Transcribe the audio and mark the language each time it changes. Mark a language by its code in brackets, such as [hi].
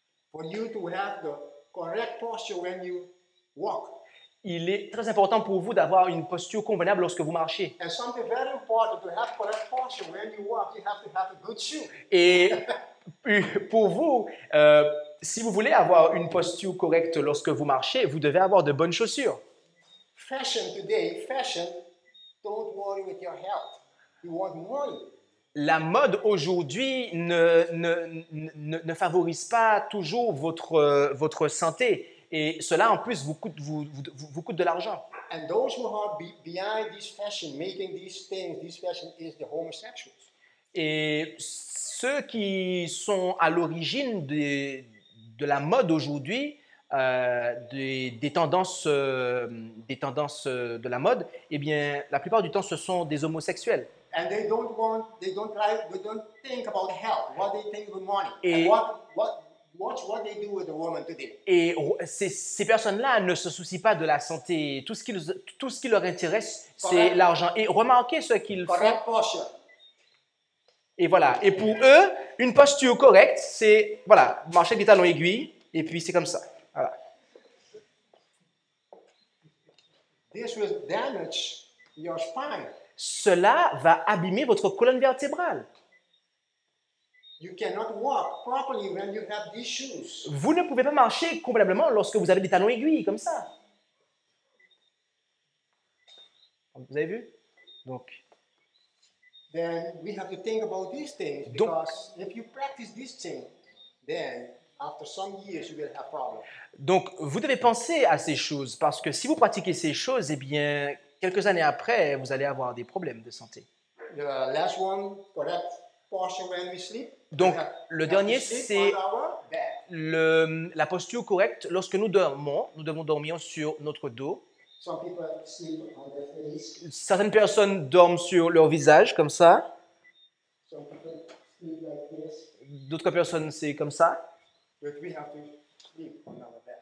[en] For you to have the correct posture when you walk. [fr] Il est très important pour vous d'avoir une posture convenable lorsque vous marchez. [en] And something very important to have correct posture when you walk, you have to have a good shoe. [fr] Et pour vous, si vous voulez avoir une posture correcte lorsque vous marchez, vous devez avoir de bonnes chaussures. [en] Fashion today, fashion, don't worry with your health. You want money. [fr] La mode aujourd'hui ne favorise pas toujours votre santé. Et cela, en plus, vous coûte de l'argent. [en] And those who are behind this fashion, making these things, this fashion is the homosexuals. [fr] Et ceux qui sont à l'origine de la mode aujourd'hui, des tendances de la mode, eh bien, la plupart du temps, ce sont des homosexuels. [en] And they don't think about health. What they think about money. And what they do with the woman today. [fr] Et ces personnes-là ne se soucient pas de la santé. Tout ce qui leur intéresse, [en] correct, [fr] c'est l'argent. Et remarquez ce qu'ils [en] correct [fr] font. Posture. Et voilà. Et pour eux, une posture correcte, c'est voilà, marcher des talons aiguilles. Et puis c'est comme ça. Voilà. [en] This will damage your spine. [fr] Cela va abîmer votre colonne vertébrale. [en] You cannot walk properly when you have these shoes. [fr] Vous ne pouvez pas marcher convenablement lorsque vous avez des talons aiguilles, comme ça. Vous avez vu? Donc, [en] then we have to think about these things, because if you practice this thing, then after some years you will have problems. [fr] Donc, vous devez penser à ces choses, parce que si vous pratiquez ces choses, eh bien, quelques années après, vous allez avoir des problèmes de santé. [en] The last one, correct posture when we sleep. [fr] Donc, le dernier, c'est la posture correcte. Lorsque nous dormons, nous devons dormir sur notre dos. [en] Some people sleep on their face. [fr] Certaines personnes dorment sur leur visage, comme ça. [en] Some people sleep like this. [fr] D'autres personnes, c'est comme ça. [en] But we have to sleep on our bed.